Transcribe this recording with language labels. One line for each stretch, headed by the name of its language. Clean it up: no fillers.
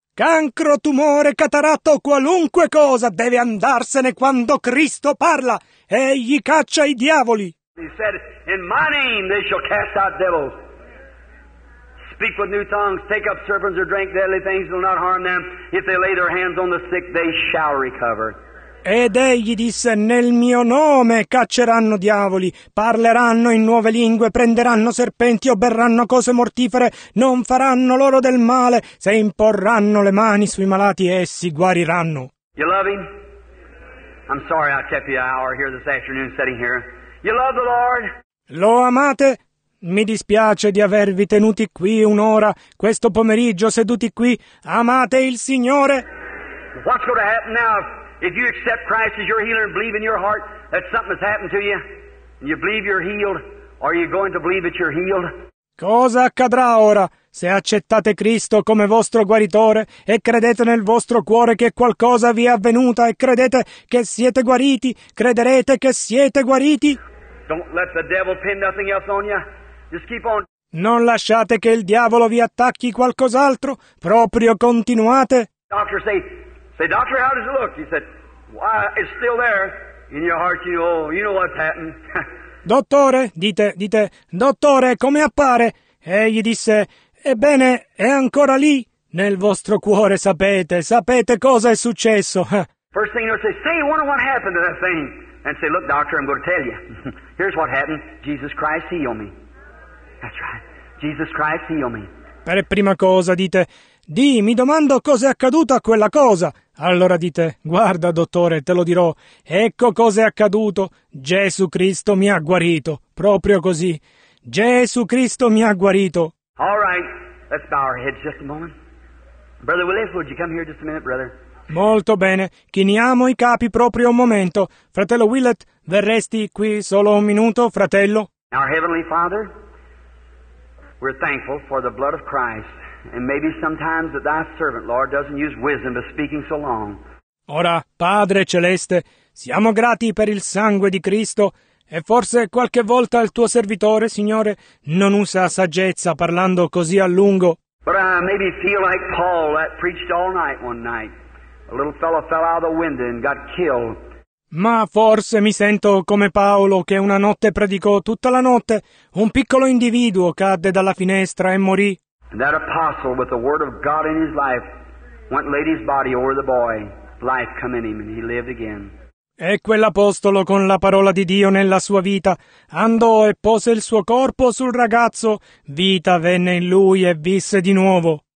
Italian: Cancro, tumore, cataratto, qualunque cosa deve andarsene quando Cristo parla. Egli caccia i diavoli.
English: He said, in my name they shall cast out devils. Speak with new tongues, take up serpents or drink deadly things, will not harm them. If they lay their hands on the sick, they shall recover.
Italian: Ed egli disse, nel mio nome cacceranno diavoli, parleranno in nuove lingue, prenderanno serpenti o berranno cose mortifere, non faranno loro del male, se imporranno le mani sui malati essi guariranno.
English: You love him? I'm sorry I kept you an hour here this afternoon sitting here. You love the Lord?
Italian: Lo amate? Mi dispiace di avervi tenuti qui un'ora, questo pomeriggio seduti qui. Amate il Signore?
English: What's going to happen now? If you accept Christ as your healer and believe in your heart that something has happened to you, and you believe you're healed, are you going to believe that you're healed?
Italian: Cosa accadrà ora? Se accettate Cristo come vostro guaritore e credete nel vostro cuore che qualcosa vi è avvenuta e credete che siete guariti, crederete che siete guariti?
English: Don't let the devil pin nothing else on you. Just keep on.
Italian: Non lasciate che il diavolo vi attacchi qualcos'altro. Proprio continuate.
English: Doctor, say, doctor, how does it look? He said, why, it's still there. In your heart, you know what's happened.
Italian: Dottore, dite, dottore, come appare? Egli disse, ebbene, è ancora lì. Nel vostro cuore sapete cosa è successo.
English: First thing you'll say, you wonder what happened to that thing. And say, look, doctor, I'm going to tell you. Here's what happened. Jesus Christ healed me. That's right. Jesus Christ healed me.
Italian: Per prima cosa, dite, Di, mi domando cos'è accaduto a quella cosa. Allora dite, guarda dottore, te lo dirò, ecco cos'è accaduto, Gesù Cristo mi ha guarito, proprio così, Gesù Cristo mi ha guarito.
English: All right, let's bow our heads just a moment. Brother Willis, would you come here just a minute, brother?
Italian: Molto bene, chiniamo i capi proprio un momento. Fratello Willett, verresti qui solo un minuto, fratello?
English: Our Heavenly Father, we're thankful for the blood of Christ. And maybe sometimes that thy servant, Lord, doesn't use wisdom but speaking so long.
Italian: Ora, Padre Celeste, siamo grati per il sangue di Cristo. E forse qualche volta il tuo servitore, Signore, non usa saggezza parlando così a lungo.
English: But I maybe feel like Paul that preached all night one night. A little fellow fell out of the window and got killed.
Italian: Ma forse mi sento come Paolo che una notte predicò tutta la notte. Un piccolo individuo cadde dalla finestra e morì.
English: And that apostle with the word of God in his life went laid his body over the boy. Life come in him and he lived again.
Italian: E quell'apostolo con la parola di Dio nella sua vita andò e pose il suo corpo sul ragazzo. Vita venne in lui e visse di nuovo.